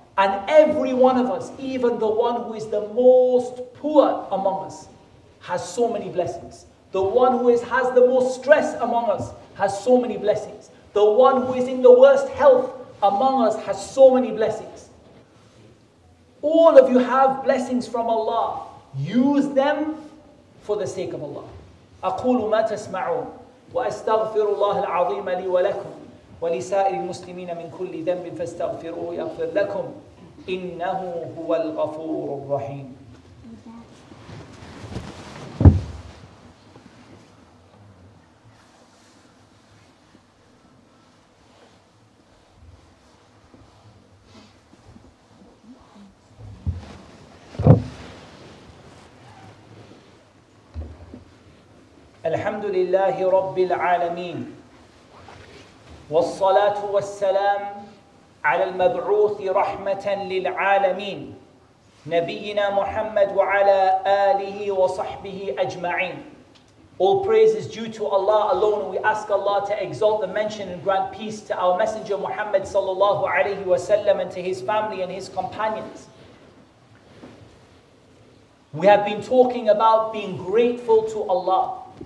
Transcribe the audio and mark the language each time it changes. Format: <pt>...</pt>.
<en>And every one of us, even the one who is the most poor among us, has so many blessings. The one who has the most stress among us has so many blessings. The one who is in the worst health among us has so many blessings. All of you have blessings from Allah. Use them for the sake of Allah.</en> <ar>أقول ما تسمعون وأستغفر الله العظيم لي ولكم ولسائر المسلمين من كل ذنب فاستغفروه يغفر لكم إنه هو الغفور الرحيم. الحمد لله رب العالمين والصلاة والسلام على المبعوث رحمة للعالمين نبينا محمد وعلى آله وصحبه أجمعين.</ar> <en>All praise is due to Allah alone. We ask Allah to exalt the mention and grant peace to our messenger Muhammad sallallahu alayhi wa sallam and to his family and his companions. We have been talking about being grateful to Allah.</en>